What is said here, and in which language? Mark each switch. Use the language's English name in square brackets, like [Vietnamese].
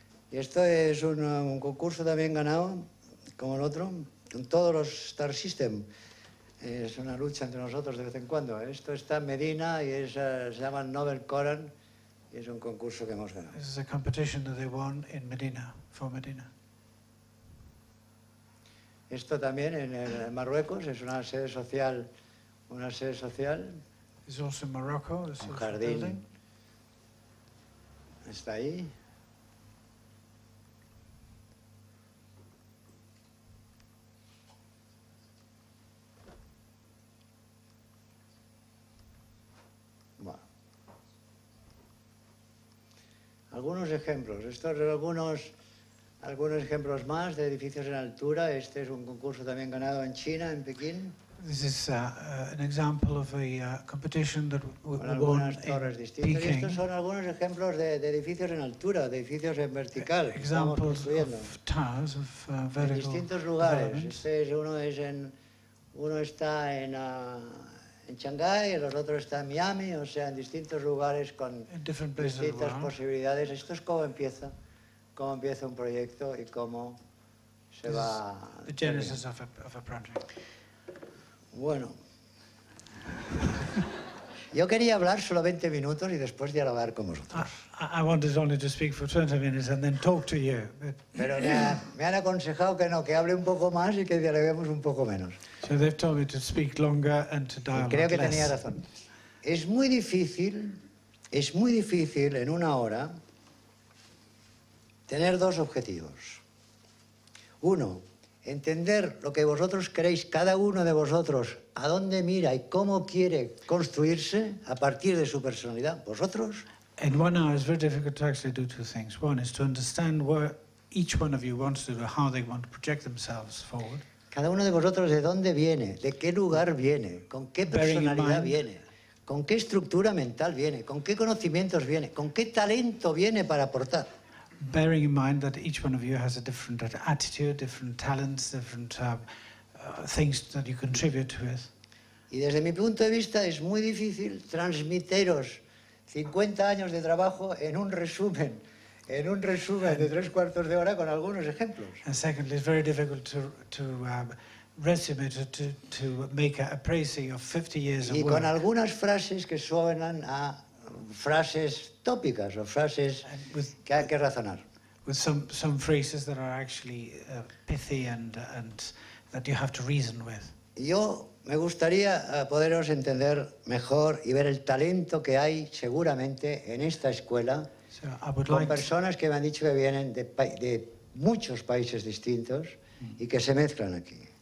[Spanish] Y esto es un concurso también ganado, como el otro. En todos los Star System es una lucha entre nosotros de vez en cuando. Esto está en Medina y se llama Nobel Koran y es un concurso que hemos ganado. [English] This is a competition that they won in Medina, for Medina. [Spanish] Esto también en Marruecos es una sede social. Una sede social. [English] It's also in Morocco, this [Spanish] un jardín. [English] Building. [Spanish] Está ahí. Algunos ejemplos. Estos son algunos ejemplos más de edificios en altura. Este es un concurso también ganado en China, en Pekín. [English] This is an example of a competition that won in Peking. [Spanish] Estos son algunos ejemplos de edificios en altura, de edificios en vertical. [English] Examples of towers of vertical. [Spanish] En distintos lugares. Uno está en Shanghái, el otro está en Miami, o sea, en distintos lugares con distintas posibilidades. Esto es cómo empieza un proyecto y cómo se va. [English] The genesis of a project. [Spanish] Bueno, yo quería hablar solo 20 minutos y después dialogar con vosotros. [English] I wanted only to speak for 20 minutes and then talk to you. [Spanish] Pero me han aconsejado que no, que hable un poco más y que dialoguemos un poco menos. [English] So they've told me to speak longer and to dialogue [Spanish] y creo que [English] less. [Spanish] Tenía razón. Es muy difícil en una hora tener dos objetivos. Uno, entender lo que vosotros queréis, cada uno de vosotros, a dónde mira y cómo quiere construirse a partir de su personalidad, vosotros. [English] In one hour, it's very difficult to actually do two things. One is to understand what each one of you wants to do, how they want to project themselves forward. [Spanish] Cada uno de vosotros, ¿de dónde viene? ¿De qué lugar viene? ¿Con qué personalidad viene? ¿Con qué estructura mental viene? ¿Con qué conocimientos viene? ¿Con qué talento viene para aportar? [English] bearing in mind that each one of you has a different attitude, different talents, different things that you contribute with. [Spanish] Y desde mi punto de vista es muy difícil transmitiros 50 años de trabajo en un resumen de tres cuartos de hora con algunos ejemplos. [English] And secondly, it's very difficult to make a appraisal of 50 years of work. [Spanish] Y con algunas frases que suenan a frases tópicas o frases que hay que razonar. [English] With some phrases that are actually pithy and that you have to reason with. [Spanish] Yo me gustaría poderos entender mejor y ver el talento que hay seguramente en esta escuela con personas que me han dicho que vienen de muchos países distintos y que se mezclan aquí.